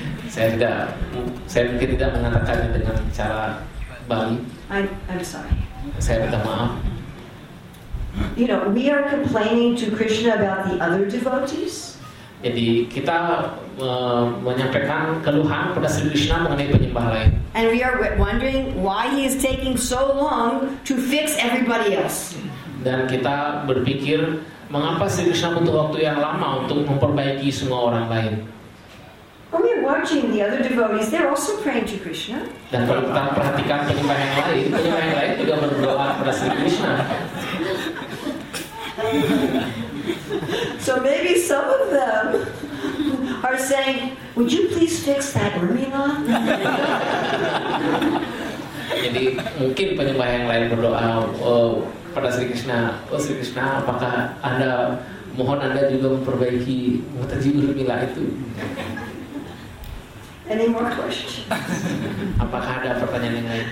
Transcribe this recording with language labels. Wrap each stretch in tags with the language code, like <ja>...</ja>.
<id>Saya mungkin tidak mengatakannya dengan cara Bali.</id> <en>I'm sorry.</en> <id>Saya minta maaf.</id> <en>You know, we are complaining to Krishna about the other devotees.</en> <id>Jadi kita menyampaikan keluhan kepada Sri Krishna mengenai penyembah lain.</id> <en>And we are wondering why he is taking so long to fix everybody else.</en> <id>Dan kita berpikir mengapa Sri Krishna butuh waktu yang lama untuk memperbaiki semua orang lain.</id> <en>When we are watching the other devotees, they're also praying to Krishna.</en> <id>Dan kalau kita perhatikan penyembah yang lain juga berdoa kepada Sri Krishna.</id> <en>So maybe some of them are saying, "Would you please fix that Urmila?"</en> <id>Jadi mungkin penyembah yang lain berdoa pada Sri Krishna, "Oh Sri Krishna, apakah Anda mohon Anda juga memperbaiki Mataji Urmila itu?"</id> <en>Any more questions?</en> <id>Apakah ada pertanyaan yang lain?</id>